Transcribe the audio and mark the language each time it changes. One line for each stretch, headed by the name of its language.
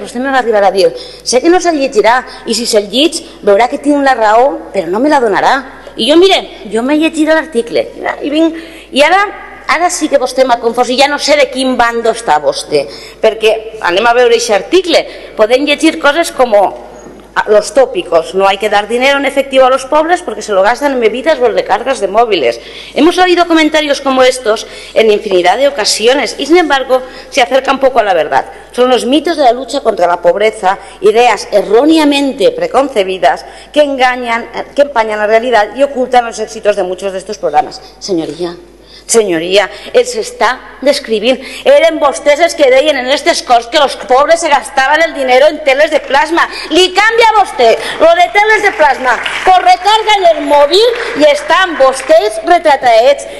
Catalan: Vostè me va arribar a dir, sé que no se'l llegirà i si se'l llegeix veurà que tinc la raó, però no me la donarà. I jo, mire, jo m'he llegit l'article i ara sí que vostè m'ha confós i ja no sé de quin bando està vostè, perquè anem a veure aquest article. Podem llegir coses com
Spanish: los tópicos, no hay que dar dinero en efectivo a los pobres porque se lo gastan en bebidas o en recargas de móviles. Hemos oído comentarios como estos en infinidad de ocasiones y sin embargo se acercan poco a la verdad. Son los mitos de la lucha contra la pobreza, ideas erróneamente preconcebidas que engañan, que empañan la realidad y ocultan los éxitos de muchos de estos programas. Señoría,
Catalan: senyoria, els està descrivint. Eren vostès els que deien en aquestes corts que els pobres se gastaven el diner en teles de plasma. Li canvia a vostè lo de teles de plasma. Pues recarguen el mòbil i estan vostès retratats.